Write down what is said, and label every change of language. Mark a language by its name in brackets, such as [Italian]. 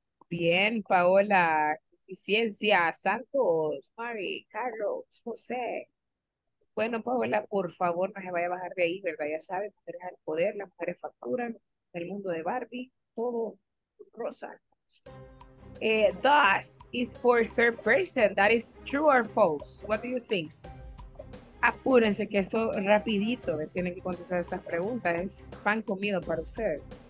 [Spanish] Bien, Paola, eficiencia, Santos, Mari, Carlos, José. Bueno, Paola, por favor, no se vaya a bajar de ahí, ¿verdad? Ya sabes, mujeres al poder, las mujeres facturan, el mundo de Barbie, todo rosa. [English] Thus, it's for third person, that is true or false. What do you think? [Spanish] Apúrense que esto rapidito, tienen que contestar estas preguntas, es pan comido para ustedes.